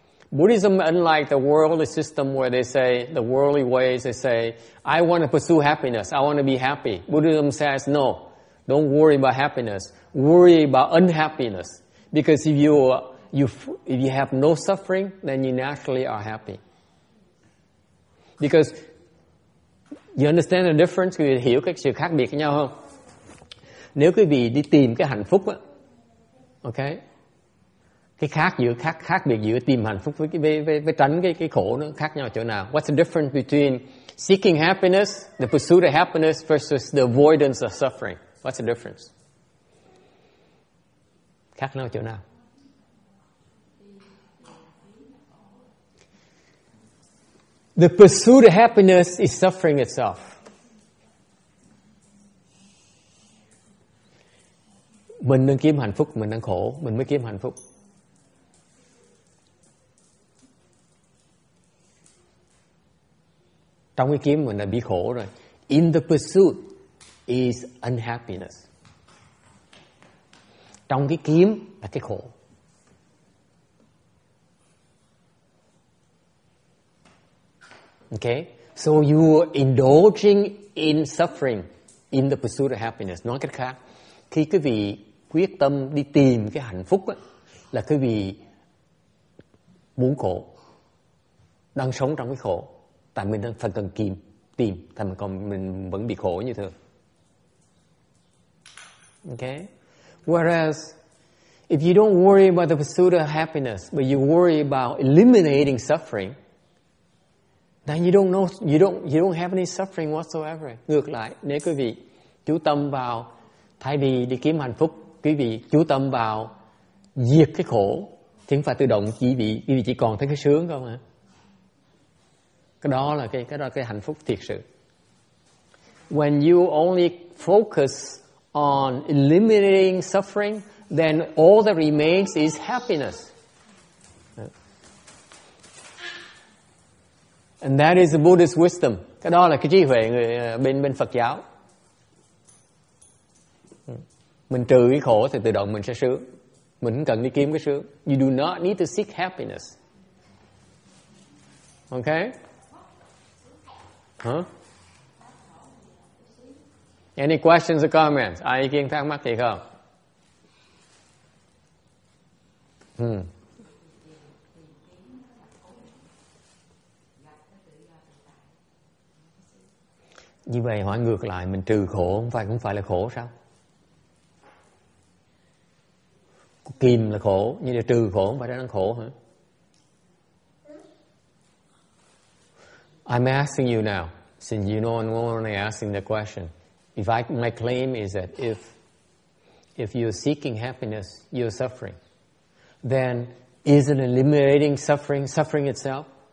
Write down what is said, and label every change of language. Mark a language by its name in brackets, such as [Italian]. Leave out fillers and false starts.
[English] Buddhism, unlike the worldly system where they say, the worldly ways, they say, I want to pursue happiness, I want to be happy. Buddhism says, no, don't worry about happiness. Worry about unhappiness. Because if you have no suffering, then you naturally are happy. Because you understand the difference? [Vietnamese] Quý vị hiểu cái sự khác biệt với nhau không? Nếu quý vị đi tìm cái hạnh phúc á, ok? Cái khác biệt giữa tìm hạnh phúc với tránh cái khổ nó khác nhau chỗ nào? [English] What's the difference between seeking happiness, the pursuit of happiness versus the avoidance of suffering? What's the difference? [Vietnamese] Khác nhau chỗ nào? [English] The pursuit of happiness is suffering itself. [Vietnamese] Mình đang kiếm hạnh phúc, mình đang khổ, mình mới kiếm hạnh phúc. Trong cái kiếm mình đã bị khổ rồi. [English] In the pursuit is unhappiness. [Vietnamese] Trong cái kiếm là cái khổ. [English] Okay, so you are indulging in suffering in the pursuit of happiness. [Vietnamese] Nói cách khác, khi quý vị quyết tâm đi tìm cái hạnh phúc á, là quý vị muốn khổ, đang sống trong cái khổ, tại mình đang phải cần tìm, tại mình còn mình vẫn bị khổ như thường. [English] Okay, whereas if you don't worry about the pursuit of happiness, but you worry about eliminating suffering, then you don't have any suffering whatsoever. [Vietnamese] Ngược lại, nếu quý vị chú tâm vào, thay vì đi kiếm hạnh phúc, quý vị chú tâm vào diệt cái khổ, thì không phải tự động quý vị chỉ còn thấy cái sướng không hả? Cái đó là cái hạnh phúc thiệt sự. [English] When you only focus on eliminating suffering, then all that remains is happiness. And that is the Buddhist wisdom. [Vietnamese] Cái đó là cái trí huệ người bên Phật giáo. Mình trừ cái khổ thì tự động mình sẽ sướng. Mình không cần đi kiếm cái sướng. [English] You do not need to seek happiness. Okay? Huh? Any questions or comments? [Vietnamese] Ai ý kiến thắc mắc gì không? Như vậy hỏi ngược lại, mình trừ khổ không phải là khổ sao? Kìm là khổ, như là trừ khổ không phải đang khổ hả? [English] I'm asking you now, since you know I'm only asking the question. My claim is that if you're seeking happiness, you're suffering. Then isn't eliminating suffering, suffering itself?